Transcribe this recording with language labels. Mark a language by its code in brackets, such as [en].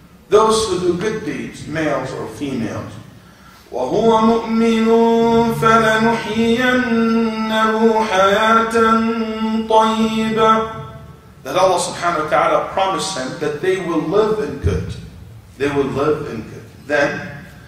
[en] Those who do good deeds, males or females. [ar] وهو مؤمن فلنحيينه حياة طيبة. [en] That Allah subhanahu wa ta'ala promised them that they will live in good. They will live in good. Then,